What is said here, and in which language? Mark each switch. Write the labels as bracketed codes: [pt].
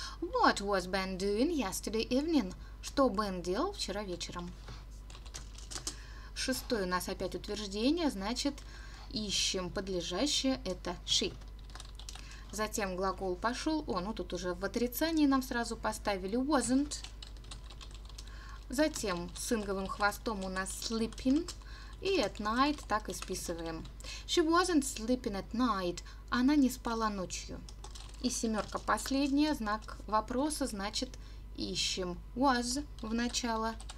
[en] What was Ben doing yesterday evening? [ru] Что Бен делал вчера вечером? Шестое у нас опять утверждение, значит, ищем подлежащее, это she. Затем глагол пошел, тут уже в отрицании нам сразу поставили wasn't. Затем с инговым хвостом у нас sleeping, и at night так и списываем. [en] She wasn't sleeping at night, [ru] она не спала ночью. И семерка последняя, знак вопроса, значит, ищем was в начало.